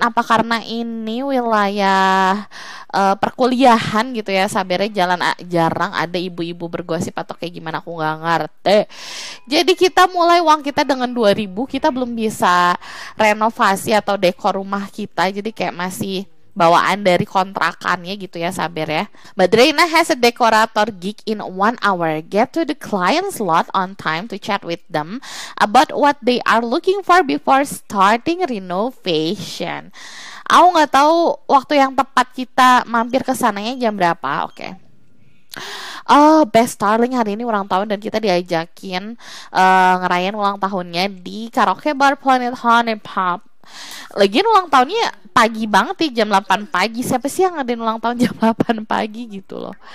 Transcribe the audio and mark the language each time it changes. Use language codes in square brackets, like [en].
[id] Apa karena ini wilayah perkuliahan gitu ya Sabernya, jalan jarang ada ibu-ibu bergosip atau kayak gimana, aku nggak ngerti. Jadi kita mulai, uang kita dengan 2.000 kita belum bisa renovasi atau dekor rumah kita, jadi kayak masih bawaan dari kontrakannya gitu ya Saber ya. [en] Badreina has a decorator gig in 1 hour. Get to the client's lot on time to chat with them about what they are looking for before starting renovation. [id] Aku nggak tahu waktu yang tepat kita mampir ke sananya jam berapa. Oke. Oh, best darling, hari ini ulang tahun dan kita diajakin ngerayain ulang tahunnya di karaoke bar Planet Honey Pop. Lagian ulang tahunnya pagi banget nih, jam 8 pagi. Siapa sih yang ngadain ulang tahun jam 8 pagi gitu loh.